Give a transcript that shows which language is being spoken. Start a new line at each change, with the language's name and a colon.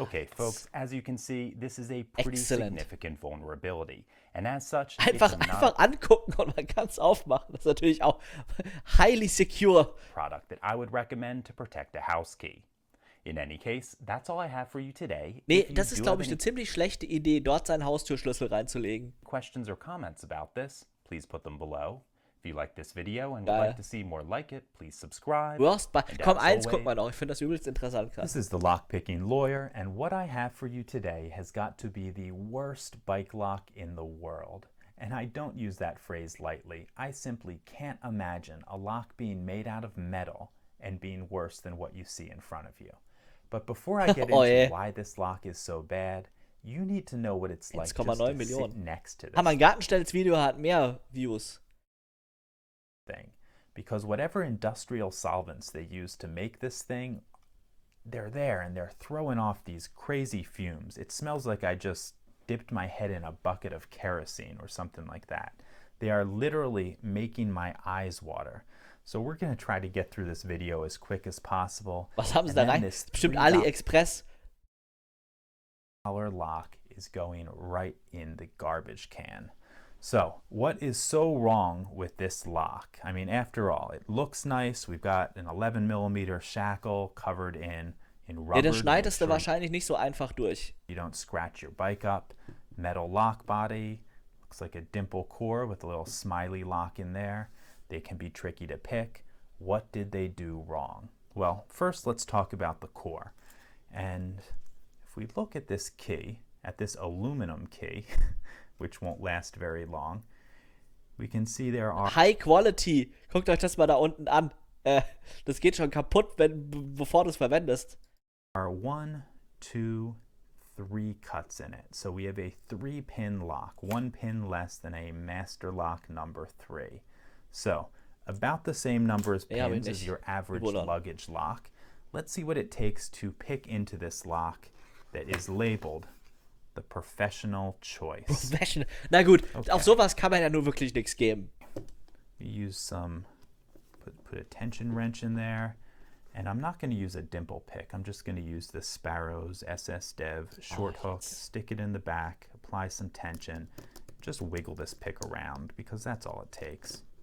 English: Okay, folks, as you can see, this is a pretty significant vulnerability. And as such,
German: einfach angucken und man kann es aufmachen. Das ist natürlich auch
English: highly secure. Product that I would recommend to protect a house key. In any case, that's all I have for you today.
German: Nee, das ist, glaube ich, eine ziemlich schlechte Idee, dort seinen Haustürschlüssel reinzulegen.
English: Questions or comments about this, please put them below. If you like this video and would like to see more like it, please subscribe.
German: Komm, eins gucken wir noch. Ich finde das übelst interessant.
English: This is the lockpicking lawyer, and what I have for you today has got to be the worst bike lock in the world. And I don't use that phrase lightly. I simply can't imagine a lock being made out of metal and being worse than what you see in front of you. But before I get why this lock is so bad, you need to know what it's like just to
German: Millionen.
English: Sit next to this.
German: Haben wir einen Gartenstell, das Video hat mehr Views.
English: Thing. Because whatever industrial solvents they use to make this thing, they're there and they're throwing off these crazy fumes. It smells like I just dipped my head in a bucket of kerosene or something like that. They are literally making my eyes water. So we're going to try to get through this video as quick as possible.
German: Was haben Sie da rein? Bestimmt AliExpress.
English: Lock is going right in the garbage can. So, what is so wrong with this lock? I mean, after all, it looks nice. We've got an 11 millimeter shackle covered in rubber.
German: Ja, das schneidest du wahrscheinlich nicht so einfach durch.
English: You don't scratch your bike up. Metal lock body. Looks like a dimple core with a little smiley lock in there. They can be tricky to pick. What did they do wrong? Well, first let's talk about the core. And if we look at this key, at this aluminum key, which won't last very long, we can see there are... High quality!
German: Guckt euch das mal da unten an. Das geht schon kaputt, wenn, bevor du es verwendest.
English: Are one, two, three cuts in it. So we have a three-pin lock, one pin less than a master lock number three. So, about the same number of pins as your average luggage lock. Let's see what it takes to pick into this lock that is labeled the professional choice.
German: Professional. Na gut, okay. Auf sowas kann man ja nur wirklich nichts geben.
English: We use some, put a tension wrench in there. And I'm not going to use a dimple pick. I'm just going to use the Sparrows SS Dev short hook. Stick it in the back, apply some tension. Just wiggle this pick around because that's all it takes.